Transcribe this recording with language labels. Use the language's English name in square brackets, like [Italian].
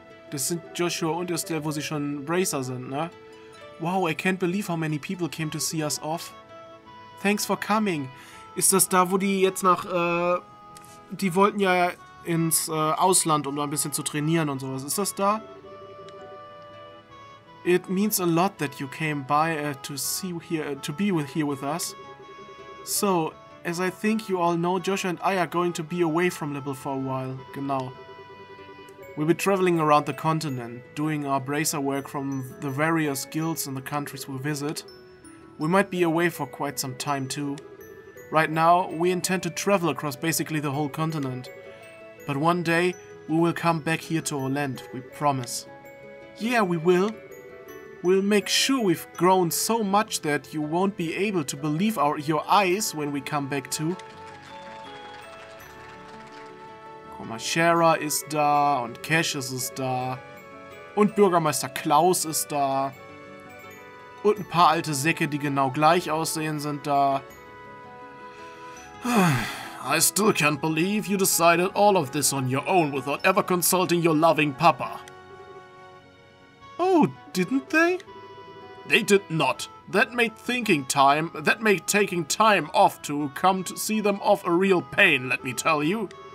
[German] Das sind Joshua und Estelle, wo sie schon Bracer sind, ne? [English] Wow, I can't believe how many people came to see us off. Thanks for coming. [German] Ist das da, wo die jetzt nach, die wollten ja ins Ausland, um da ein bisschen zu trainieren und sowas. Ist das da? [English] It means a lot that you came by to be here with us. So, as I think you all know, Joshua and I are going to be away from Level for a while. Genau. We'll be traveling around the continent, doing our bracer work from the various guilds in the countries we visit. We might be away for quite some time too. Right now, we intend to travel across basically the whole continent. But one day, we will come back here to Orland, we promise. Yeah, we will. We'll make sure we've grown so much that you won't be able to believe your eyes when we come back too. [German] Shara ist da und Cassius ist da und Bürgermeister Klaus ist da und ein paar alte Säcke, die genau gleich aussehen, sind da. [English] I still can't believe you decided all of this on your own without ever consulting your loving Papa. Oh, didn't they? They did not. That made taking time off to come to see them off a real pain, let me tell you.